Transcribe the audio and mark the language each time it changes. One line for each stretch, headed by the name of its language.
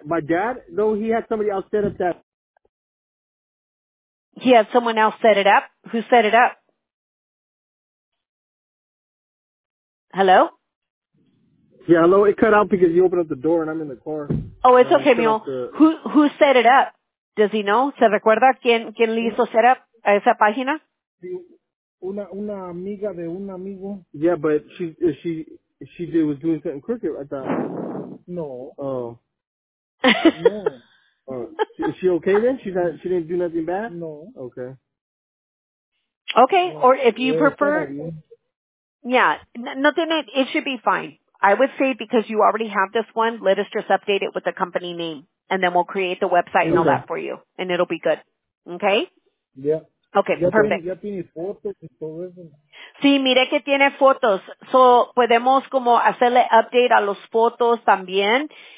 English: My dad, though, he had somebody else set up that. He had someone else set it up? Who set it up? Hello? Yeah, hello. It cut out because you opened up the door and I'm in the car. Oh, it's okay, Mio. Who set it up? Does he know?
Spanish: ¿Se recuerda quién le hizo set up a esa página? Una amiga de un amigo.
English: Yeah, but she was doing something crooked, I thought. No. Oh. Yeah. Is she okay then? She didn't do nothing bad? No. Okay. Okay, or if you prefer. Yeah, nothing. It should be fine. I would say because you already have this one, let us just update it with the company name. and then we'll create the website and all that for you, and it'll be good. Okay? Yeah. Okay,
Spanish: ya
English: perfect.
Spanish: Tiene fotos. Sí, mire que tiene fotos. So, podemos como hacerle update a los fotos también.